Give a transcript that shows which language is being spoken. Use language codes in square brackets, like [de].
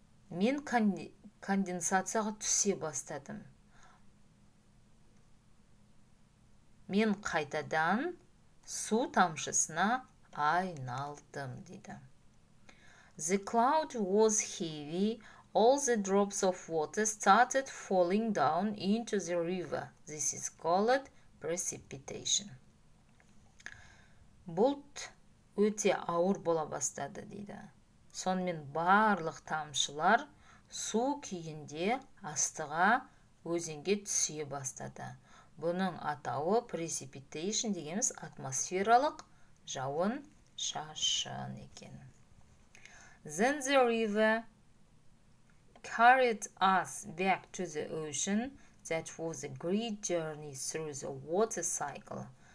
[kk] Мен конденсацияға түсе бастадым. Мен қайтадан су тамшысына айналдым дейді. [en] The cloud was heavy. All the drops of water started falling down into the river. This is called precipitation. [kk] Бұлт өте ауыр бола бастады дейді. Сонымен барлық тамшылар су күйінде астыға өзенге түсе бастады. Бұның атауы precipitation дегеніміз атмосфералық жауын шашын екен. [en] Then the river carried us back to the ocean. That was a great journey through the water cycle.